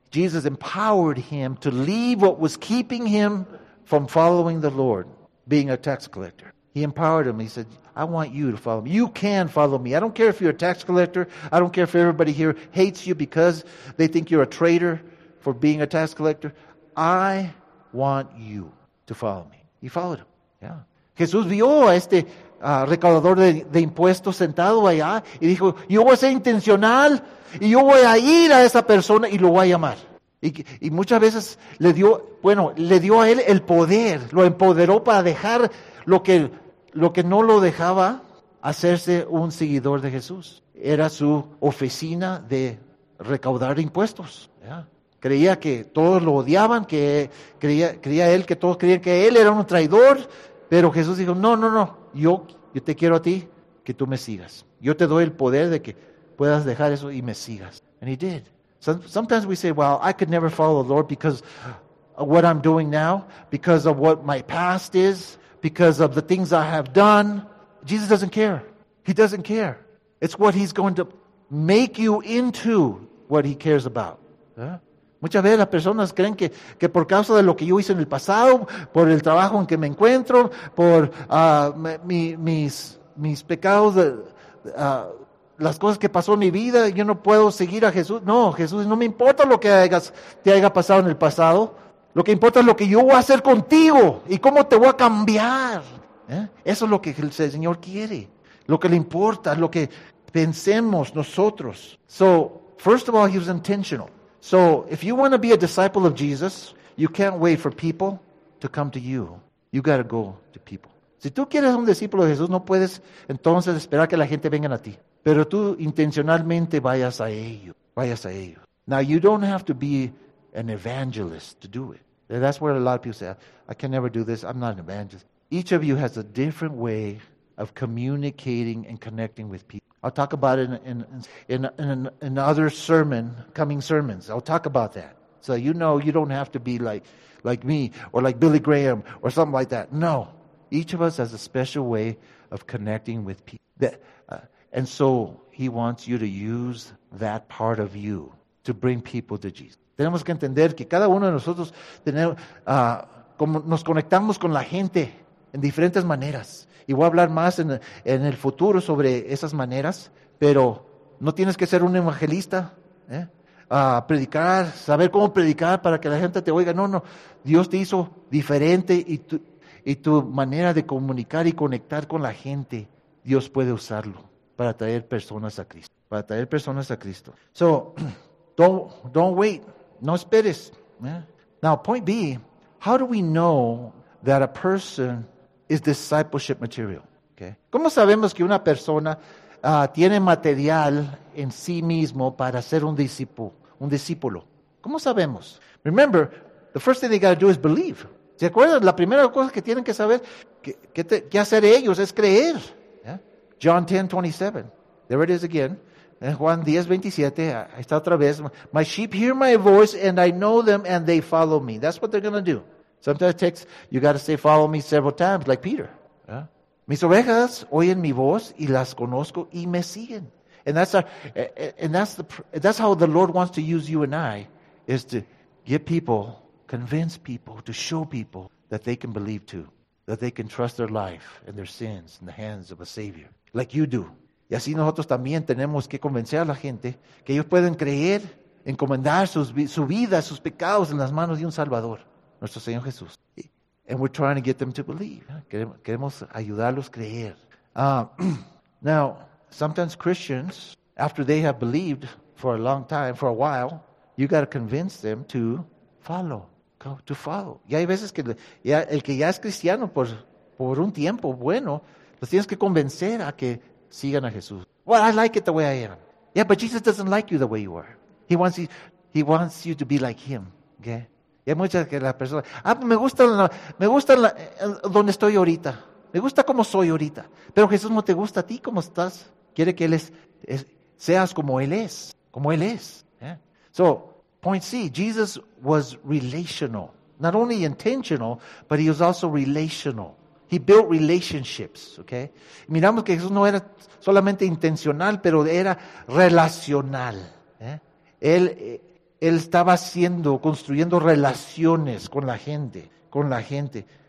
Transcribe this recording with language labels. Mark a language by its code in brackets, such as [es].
[en] Jesus empowered him to leave what was keeping him from following the Lord, being a tax collector. He empowered him. He said, I want you to follow me. You can follow me. I don't care if you're a tax collector. I don't care if everybody here hates you because they think you're a traitor for being a tax collector. I want you to follow me. He followed him. Yeah. [es] Jesús vio a este recaudador de impuestos sentado allá y dijo, yo voy a ser intencional y yo voy a ir a esa persona y lo voy a llamar. Y muchas veces le dio a él el poder, lo empoderó para dejar lo que no lo dejaba hacerse un seguidor de Jesús. Era su oficina de recaudar impuestos. Yeah. Creía que todos lo odiaban, que creía él que todos creían que él era un traidor, pero Jesús dijo, no, yo te quiero a ti, que tú me sigas. Yo te doy el poder de que puedas dejar eso y me sigas. [en] And he did. Sometimes we say, well, I could never follow the Lord because of what I'm doing now, because of what my past is, because of the things I have done. Jesus doesn't care. He doesn't care. It's what he's going to make you into what he cares about. [es] Muchas veces las personas creen que por causa de lo que yo hice en el pasado, por el trabajo en que me encuentro, por mis pecados las cosas que pasó en mi vida, yo no puedo seguir a Jesús. No, Jesús, no me importa lo que te haya pasado en el pasado. Lo que importa es lo que yo voy a hacer contigo y cómo te voy a cambiar. Eso es lo que el Señor quiere. Lo que le importa, lo que pensemos nosotros. [en] So, first of all, he was intentional. So, if you want to be a disciple of Jesus, you can't wait for people to come to you. You got to go to people. [es] Si tú quieres un discípulo de Jesús, no puedes entonces esperar que la gente venga a ti. Pero tú intencionalmente vayas a ellos. Vayas a ellos. [en] Now, you don't have to be an evangelist to do it. And that's where a lot of people say, I can never do this. I'm not an evangelist. Each of you has a different way of communicating and connecting with people. I'll talk about it in other coming sermons. I'll talk about that. So you know you don't have to be like me or like Billy Graham or something like that. No. Each of us has a special way of connecting with people. And so he wants you to use that part of you to bring people to Jesus. [es] Tenemos que entender que cada uno de nosotros tenemos, como nos conectamos con la gente en diferentes maneras. Y voy a hablar más en el futuro sobre esas maneras, pero no tienes que ser un evangelista, predicar, saber cómo predicar para que la gente te oiga. No, Dios te hizo diferente y tu manera de comunicar y conectar con la gente, Dios puede usarlo para traer personas a Cristo, para traer personas a Cristo. [en] So, don't wait, [es] no esperes. [en] Now, point B, how do we know that a person is discipleship material? Okay. [es] ¿Cómo sabemos que una persona tiene material en sí mismo para ser un discípulo? ¿Cómo sabemos? [en] Remember, the first thing they got to do is believe. [es] ¿Se acuerdan? La primera cosa que tienen que saber que hacer ellos es creer. [en] Yeah? John 10:27. There it is again. [es] Juan 10:27. Ahí está otra vez. [en] My sheep hear my voice and I know them and they follow me. That's what they're going to do. Sometimes it takes, you got to say follow me several times, like Peter. Yeah? [es] Mis ovejas oyen mi voz y las conozco y me siguen. [en] And that's how the Lord wants to use you and I, is to get people, convince people, to show people that they can believe too, that they can trust their life and their sins in the hands of a Savior, like you do. [es] Y así nosotros también tenemos que convencer a la gente que ellos pueden creer, encomendar su vida, sus pecados en las manos de un Salvador, nuestro Señor Jesús. [en] And we're trying to get them to believe. [es] Queremos ayudarlos a creer. [en] Now, sometimes Christians, after they have believed for a long time, for a while, you got to convince them to follow. To follow. [es] Y hay veces que ya, el que ya es cristiano por un tiempo bueno, los tienes que convencer a que sigan a Jesús. [en] Well, I like it the way I am. Yeah, but Jesus doesn't like you the way you are. He wants you to be like him. Okay? [es] Y hay muchas que las personas, me gusta donde estoy ahorita. Me gusta como soy ahorita. Pero Jesús no te gusta a ti como estás. Quiere que seas como Él es. Como Él es. Yeah. [en] So, point C, Jesus was relational. Not only intentional, but he was also relational. He built relationships, okay? [es] Miramos que Jesús no era solamente intencional, pero era relacional. Yeah. Él estaba haciendo, construyendo relaciones con la gente, con la gente.